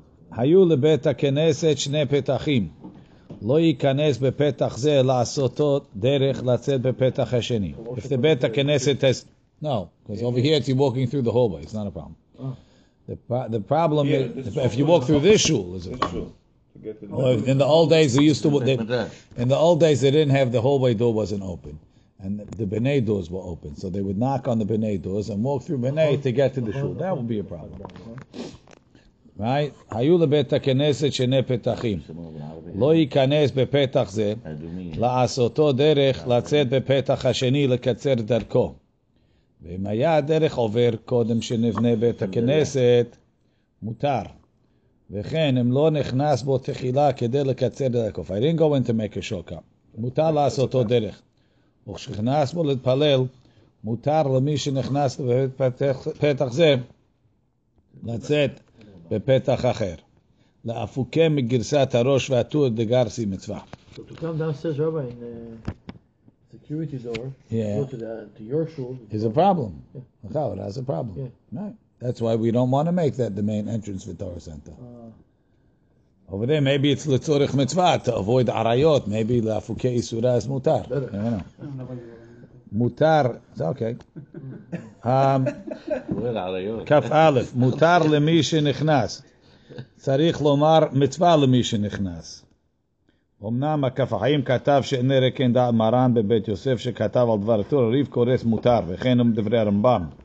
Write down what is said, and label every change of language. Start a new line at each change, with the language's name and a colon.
Hebrew: היו לבית הכנסת שני פתחים. לא ייכנס בפתח זה לעשותו דרך לצאת בפתח השני.
English: If the בית הכנסת has... No, because over here it's you walking through the hallway. It's not a problem. The problem is, if you walk through this shul, is a problem. Well, in the old days, they used to... They didn't have the hallway door wasn't open. And the B'nai doors were open. So they would knock on the B'nai doors and walk through B'nai to get to the shul. That would be a problem. Right?
Hebrew: היו לבית הכנסת שני פתחים. לא ייכנס בפתח זה לעשותו דרך לצאת בפתח השני לקצר דרכו. ואם היה הדרך עובר קודם שנבנה בית הכנסת, מותר. וכן, אם לא נכנס בו תחילה כדי לקצר דרכו.
English: If I didn't go in to make a shortcut,
Hebrew: מותר לעשותו דרך. וכשנכנס בו להתפלל, מותר למי שנכנס בפתח זה לצאת בפתח אחר. לאפוקה מגרסת הראש והטור דגרסי מצווה.
English: So to come downstairs, Rabbi, in the security door, yeah, to your shul. It's a problem. Yeah. Oh, it has a problem. Yeah. Right. That's why we don't want to make that the main entrance for Torah Center. Over there, maybe it's
Hebrew: לצורך מצווה,
English: to avoid arayot. Maybe
Hebrew: לאפוקה איסורה is מותר.
English: Better. You know.
Hebrew: מותר, זה
English: אוקיי.
Hebrew: כף א', מותר למי שנכנס. צריך לומר מצווה למי שנכנס. אמנם הכף החיים כתב שאינה רקן דעת מרן בבית יוסף שכתב על דבר התורה, ריב קורס מותר, וכן הם דברי הרמב״ם.